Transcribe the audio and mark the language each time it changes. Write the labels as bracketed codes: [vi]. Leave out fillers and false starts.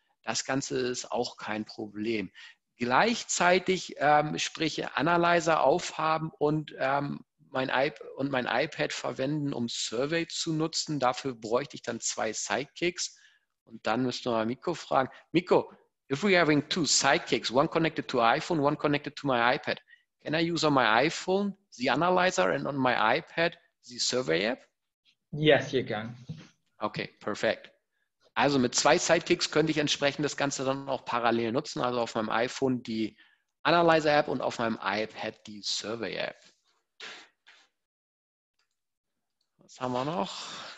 [de] Das Ganze ist auch kein Problem. Gleichzeitig Analyzer aufhaben und mein iPad verwenden, um Survey zu nutzen. Dafür bräuchte ich dann 2 Sidekicks. Und dann müsst ihr mal Mikko fragen. [en] Mikko, if we having 2 Sidekicks, one connected to iPhone, one connected to my iPad, can I use on my iPhone the analyzer and on my iPad the survey app? Yes, you can. [de] Okay, perfekt. Also mit zwei Sidekicks könnte ich entsprechend das Ganze dann auch parallel nutzen. Also auf meinem iPhone die Analyzer-App und auf meinem iPad die Survey-App. Was haben wir noch?